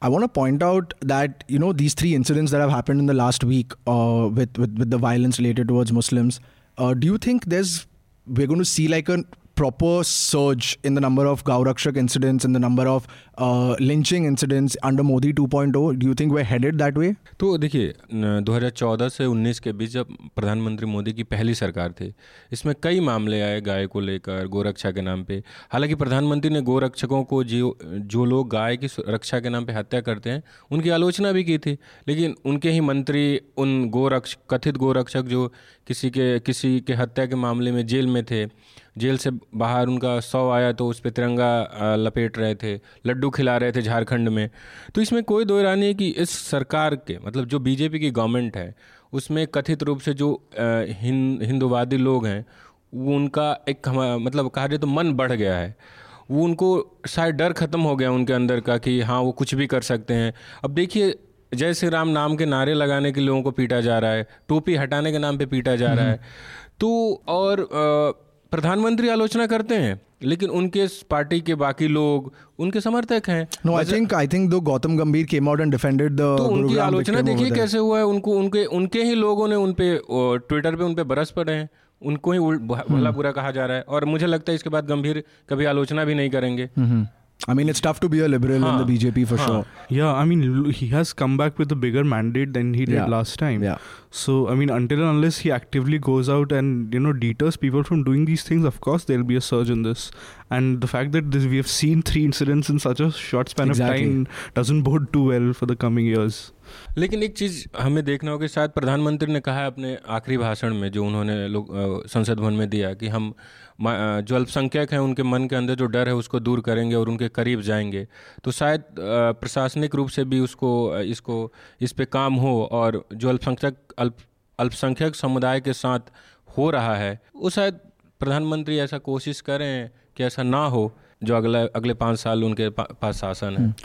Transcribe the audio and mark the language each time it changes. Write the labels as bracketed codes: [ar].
[en] I want to point out that, you know, these 3 incidents that have happened in the last week with the violence related towards Muslims, do you think we're going to see like a proper surge in the number of Gaurakshak incidents and the number of lynching incidents under Modi 2.0? Do you think we're headed that way? [hi] तो देखिए 2014 से 19 के बीच जब प्रधानमंत्री मोदी की पहली सरकार थी, इसमें कई मामले आए गाय को लेकर गोरक्षा के नाम पे. हालांकि प्रधानमंत्री ने गोरक्षकों को जो लोग गाय की रक्षा के नाम पे हत्या करते हैं उनकी आलोचना भी की थी, लेकिन उनके ही मंत्री उन कथित गोरक्षक जो किसी के हत्या के मामले में जेल में थे, जेल से बाहर उनका शव आया तो उस पर तिरंगा लपेट रहे थे, लड्डू खिला रहे थे झारखंड में. तो इसमें कोई दो राय नहीं कि इस सरकार के मतलब जो बीजेपी की गवर्नमेंट है उसमें कथित रूप से जो हिंदुवादी लोग हैं वो उनका एक मतलब कहा जाए तो मन बढ़ गया है. वो उनको शायद डर ख़त्म हो गया उनके अंदर का कि हाँ वो कुछ भी कर सकते हैं. अब देखिए जय श्री राम नाम के नारे लगाने के लोगों को पीटा जा रहा है, टोपी हटाने के नाम पर पीटा जा रहा है. तो और प्रधानमंत्री आलोचना करते हैं लेकिन उनके पार्टी के बाकी लोग उनके समर्थक हैं. [en] No, I think though Gautam Gambhir came out and defended the [hi] तो उनकी आलोचना देखिए कैसे हुआ है. उनको उनके उनके ही लोगों ने उनपे ट्विटर पे उनपे बरस पड़े हैं, उनको ही भला बुरा कहा जा रहा है. और मुझे लगता है इसके बाद गंभीर कभी आलोचना भी नहीं करेंगे. [en] I mean, it's tough to be a liberal in the BJP for sure. Yeah, I mean, he has come back with a bigger mandate than he did last time. Yeah. So, I mean, until and unless he actively goes out and, you know, deters people from doing these things, of course, there'll be a surge in this. And the fact that we have seen 3 incidents in such a short span of time doesn't bode too well for the coming years. [hi] लेकिन एक चीज हमें देखना होगा, शायद प्रधानमंत्री ने कहा है अपने आखिरी भाषण में जो उन्होंने संसद भवन में दिया कि हम जो अल्पसंख्यक हैं उनके मन के अंदर जो डर है उसको दूर करेंगे और उनके करीब जाएंगे. तो शायद प्रशासनिक रूप से भी उसको इसको इस पे काम हो और जो अल्पसंख्यक समुदाय के साथ हो रहा है वो शायद प्रधानमंत्री ऐसा कोशिश करें कि ऐसा ना हो जो अगले 5 साल उनके पास शासन है.